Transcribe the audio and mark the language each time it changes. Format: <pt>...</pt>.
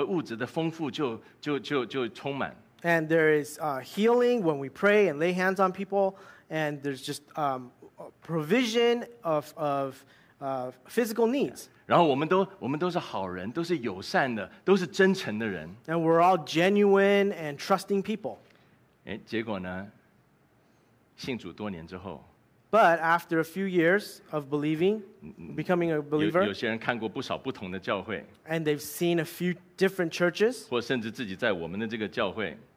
<zh>然后呢，你听到就是我们祷告，神就听应允，疾病就得到医治，然后生活物质的丰富就充满。</zh> <en>And there is healing when we pray and lay hands on people, and there's just provision of physical needs.</en> <zh>然后我们都是好人，都是友善的，都是真诚的人。</zh> <en>And we're all genuine and trusting people.</en> <zh>诶，结果呢，信主多年之后。</zh> <en>But after a few years of believing, becoming a believer,</en> <zh>有些人看过不少不同的教会,</zh> <en>and they've seen a few different churches,</en> <zh>或甚至自己在我们的这个教会,</zh>